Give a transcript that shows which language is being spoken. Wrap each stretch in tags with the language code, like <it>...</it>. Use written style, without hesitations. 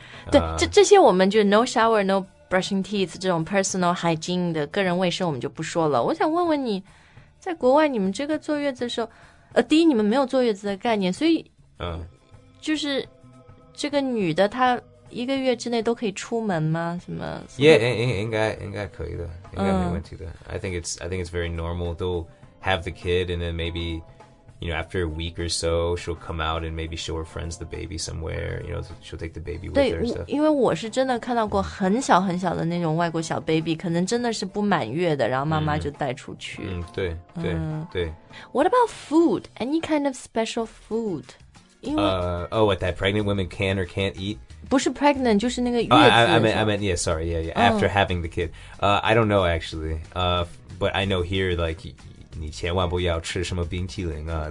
<zh>对、这些我们就</zh> <en>No shower, no brushing teeth</en> <zh>这种 personal hygiene 的个人卫生我们就不说了我想问问你在国外你们这个坐月子的时候第一你们没有坐月子的概念所以就是这个女的她一个月之内都可以出门吗什么</zh> <en>yeah,</en> <zh>应该可以的应该没问题的、</zh> <en>I think it's very normal they'll have the kid and then maybe you know after a week or so she'll come out and maybe show her friends the baby somewhere you know she'll take the baby with her</en> <zh>对因为我是真的看到过很小很小的那种外国小 baby 可能真的是不满月的然后妈妈就带出去对</zh> <en>What about food? Any kind of special food? What that pregnant women can or can't eat?</en> <zh>不是 pregnant 就是那个月子、</zh> <en>After having the kid I don't know actually but I know here like</en> <zh>你千万不要吃什么冰淇淋啊！</zh>